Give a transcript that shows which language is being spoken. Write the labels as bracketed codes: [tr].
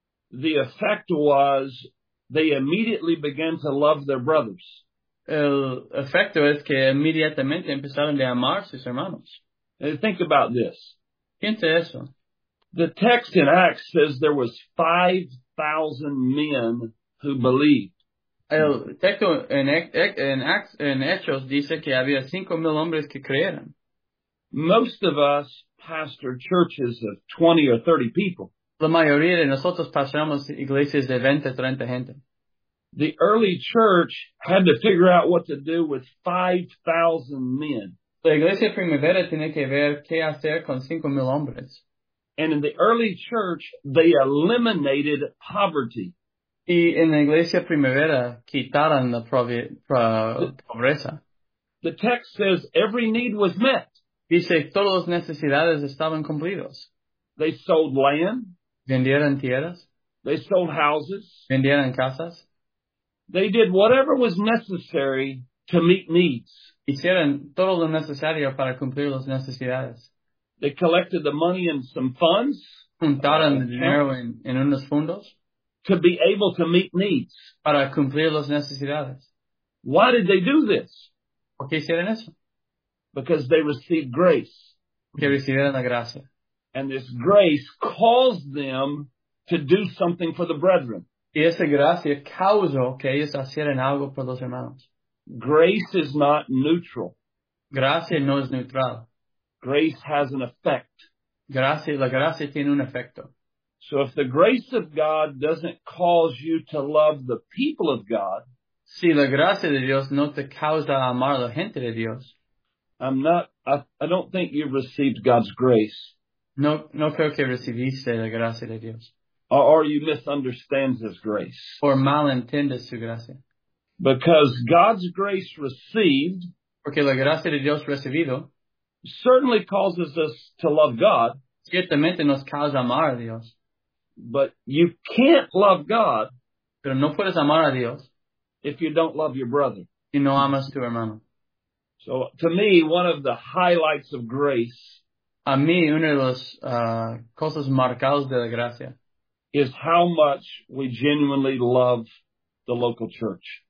[en] The effect was they immediately began to love their brothers. [es] El efecto es que inmediatamente empezaron a amar sus hermanos. [en] And think about this. [es] Piensa eso. [en] The text in Acts says there was 5,000 men who believed. [es] El texto en Hechos dice que había 5,000 hombres que creyeron. [en] Most of us pastor churches of 20 or 30 people. [es] La mayoría de nosotros pastoreamos iglesias de 20 o 30 gente. [en] The early church had to figure out what to do with 5,000 men. [es] La iglesia primavera tiene que ver qué hacer con 5,000 hombres. [en] And in the early church, they eliminated poverty. [es] Y en la iglesia primavera quitaron la pobreza. [en] The text says every need was met. [es] Dice todas las necesidades estaban cumplidas. [en] They sold land. [es] Vendieron tierras. [en] They sold houses. [es] Vendieron casas. [en] They did whatever was necessary to meet needs. [es] Hicieron todo lo necesario para cumplir las necesidades. [en] They collected the money in some funds. [es] Juntaron el dinero en unos fondos. [en] To be able to meet needs. [es] Para cumplir las necesidades. [en] Why did they do this? [es] ¿Por qué hicieron eso? [en] Because they received grace. [es] Porque recibieron la gracia. [en] And this grace caused them to do something for the brethren. [es] Y esa gracia causó que ellos hicieran algo por los hermanos. [en] Grace is not neutral. [es] Gracia no es neutral. [en] Grace has an effect. [es] La gracia tiene un efecto. [en] So if the grace of God doesn't cause you to love the people of God, [es] si la gracia de Dios no te causa amar a la gente de Dios, [en] I don't think you've received God's grace. [es] No creo que recibiste la gracia de Dios. [en] Or you misunderstand His grace. Or [es] malentiendes su gracia. [en] Because God's grace received, [es] porque la gracia de Dios recibido, [en] certainly causes us to love God. [es] Ciertamente nos causa amar a Dios. [en] But you can't love God. [es] Pero no puedes amar a Dios. [en] If you don't love your brother. [es] Si no amas tu hermano. [en] So to me, one of the highlights of grace. [es] A mí, una de las cosas marcadas de la gracia. [en] Is how much we genuinely love the local church.